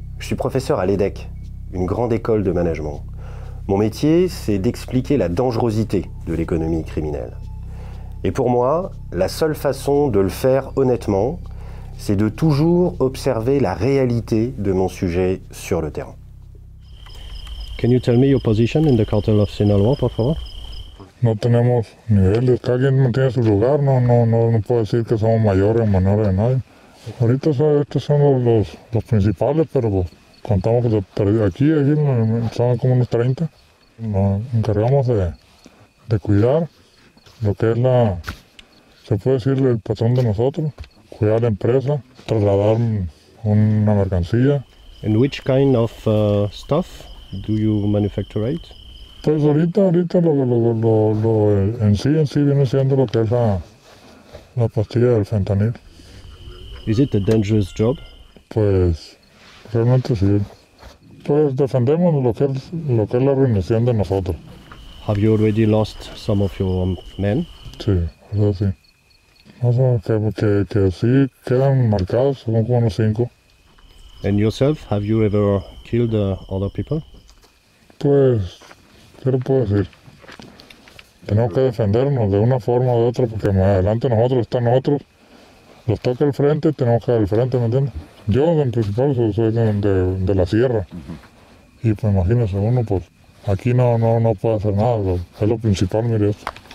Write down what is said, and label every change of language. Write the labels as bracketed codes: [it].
[fr] Je suis professeur à l'EDEC, une grande école de management. Mon métier, c'est d'expliquer la dangerosité de l'économie criminelle. Et pour moi, la seule façon de le faire honnêtement, c'est de toujours observer la réalité de mon sujet sur le terrain. [en] Can you tell me your position in the cartel of Sinaloa, [es] por favor? No tenemos niveles, cada quien mantiene su lugar, no puedo decir que somos mayores o menores de nadie. Ahorita estos son los principales, pero pues, contamos que aquí son como unos 30. Nos encargamos de cuidar lo que es la, se puede decir, el patrón de nosotros, cuidar la empresa, trasladar una mercancía. [en] And which kind of stuff do you manufacture? [es] Pues ahorita lo en sí viene siendo lo que es la pastilla del fentanil. [en] Is it a dangerous job? [es] Pues realmente sí. Pues defendemos lo que es la organización de nosotros. [en] Have you already lost some of your men? [es] Sí, eso sí. Más o menos que sí quedan marcados, son como unos 5. [en] And yourself, have you ever killed other people? [es] Pues, ¿qué le puedo decir? Tenemos que defendernos de una forma u otra, porque más adelante nosotros están otros. Nos toca el frente, tenemos que ir al frente, ¿me entiendes? Yo, en principal, soy de la sierra. Uh-huh. Y pues imagínese uno, pues aquí no puede hacer nada, pero es lo principal, mire esto.